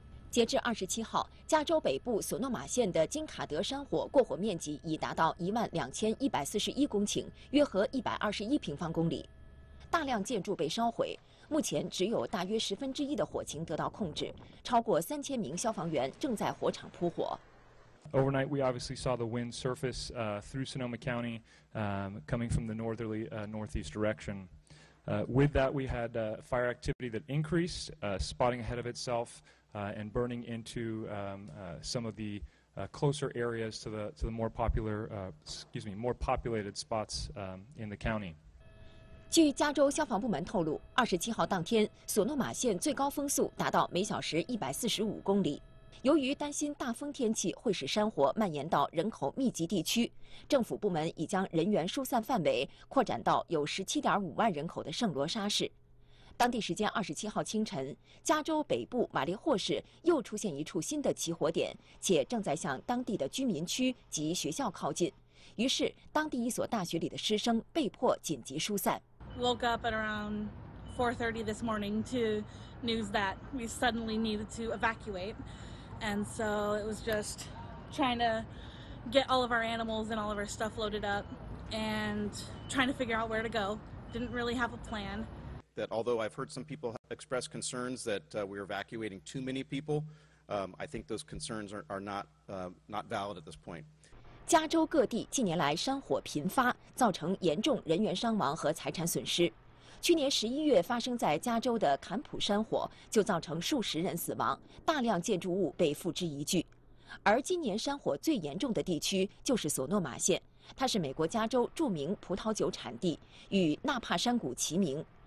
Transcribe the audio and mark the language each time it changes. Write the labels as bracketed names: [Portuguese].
[Chinese] 截至27号，加州北部索诺玛县的金卡德山火过火面积已达到12,141公顷，约合121平方公里。大量建筑被烧毁，目前只有大约1/10的火情得到控制，超过3000名消防员正在火场扑火。 [English] Overnight, we obviously saw the wind surface through Sonoma County, coming from the northerly northeast direction. With that, we had fire activity that increased, spotting ahead of itself. And burning into some of the closer areas to the more popular, more populated spots in the county. [Chinese] 据加州消防部门透露，27号当天，索诺玛县最高风速达到每小时145公里。由于担心大风天气会使山火蔓延到人口密集地区，政府部门已将人员疏散范围扩展到有17.5万人口的圣罗莎市。当地时间27号清晨，加州北部马利霍市又出现一处新的起火点，且正在向当地的居民区及学校靠近。于是，当地一所大学里的师生被迫紧急疏散。 [English] Woke up at around 4:30 this morning to news that we suddenly needed to evacuate, and so it was just trying to get all of our animals and all of our stuff loaded up, and trying to figure out where to go. Didn't really have a plan. That although I've heard some people express concerns that we're evacuating too many people, I think those concerns are not valid at this point. [Chinese] 加州各地近年来山火频发，造成严重人员伤亡和财产损失。去年11月发生在加州的坎普山火就造成数十人死亡，大量建筑物被付之一炬。而今年山火最严重的地区就是索诺玛县，它是美国加州著名葡萄酒产地，与纳帕山谷齐名。